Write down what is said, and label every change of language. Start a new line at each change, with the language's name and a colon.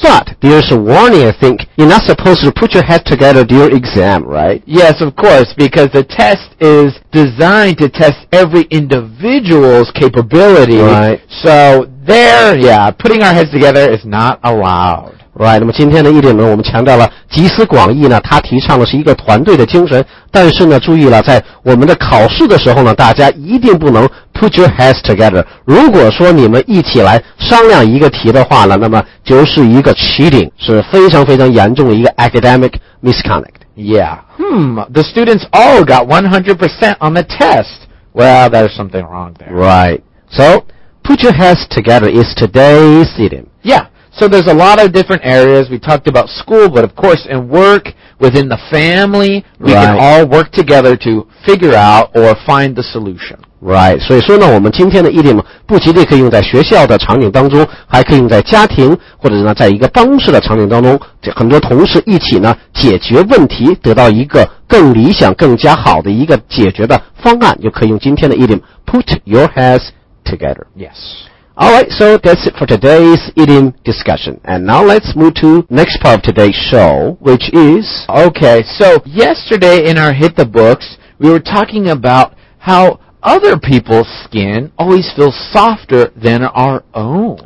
English: But there's a warning, I think. You're not supposed to put your head together during exam, right? Yes, of course, because the test is designed to test every individual's capability. Right. So there, yeah, putting our heads together is not allowed.
Chinese: Right, 那么今天的一点呢，我们强调了集思广益呢，它提倡的是一个团队的精神，但是呢，注意了，在我们的考试的时候呢，大家一定不能
English: put your heads together。
Chinese: 如果说你们一起来商量一个题的话呢，那么就是一个 cheating， 是非常非常严重的一个
English: academic misconduct。 Yeah, the students all got 100% on the test. Well, there's something wrong there. Right, so put your heads together is today's idiom. Yeah. So there's a lot of different areas. We talked about school, but of course in work, within the family, we can all work together to figure out or find the solution. Right.
Chinese: 所以说呢，我们今天的idiom不仅仅可以用在学校的场景当中，还可以用在家庭，或者是呢，在一个办公室的场景当中，很多同事一起呢，解决问题，得到一个更理想，更加好的一个解决的方案，就可以用今天的idiom,
English: put your heads together. Yes. Alright, so that's it for today's idiom discussion. And now let's move to next part of today's show, which is... Okay, so yesterday in our Hit the Books, we were talking about how other people's skin always feels softer than our own.